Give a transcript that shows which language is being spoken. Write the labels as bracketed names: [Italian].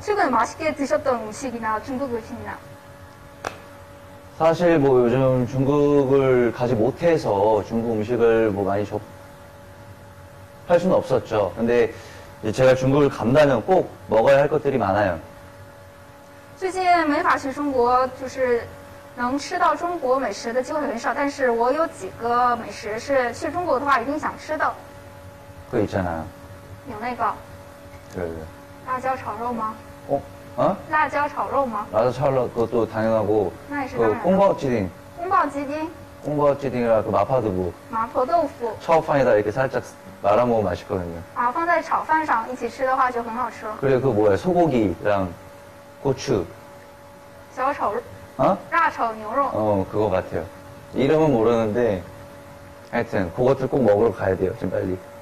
[Korean] 최근에 맛있게 드셨던 음식이나 중국 음식이나. 사실 뭐 요즘 중국을 가지 못해서 중국 음식을 뭐 많이 할 수는 없었죠. 근데 이제 제가 중국을 간다면 꼭 먹어야 할 것들이 많아요. [Chinese] 最近没法去中国，就是。能吃到中国美食的机会很少，但是我有几个美食是去中国的话一定想吃的。그 [Korean] 있잖아. [Chinese] 有那个。그. 辣椒炒肉吗？ 어? 어? 辣椒炒肉吗？ [Korean] 辣椒炒肉 그것도 당연하고. [Chinese] 那也是当然的。 그 宫保鸡丁。宫保鸡丁。 [Korean] 宫保鸡丁이랑 그 마파두부. [Chinese] 마포豆腐。 [Korean] 炒饭에다 이렇게 살짝 말아먹으면 맛있거든요. [Chinese] 아, 放在炒饭上一起吃的话就很好吃。 [Korean] 그래 그 뭐야 소고기랑 고추. [Chinese] 小炒肉。 [Korean] 어? [Chinese] 라炒牛肉. [Korean] 어, 그거 같아요. 이름은 모르는데, 하여튼, 그것들 꼭 먹으러 가야 돼요, 지금 빨리.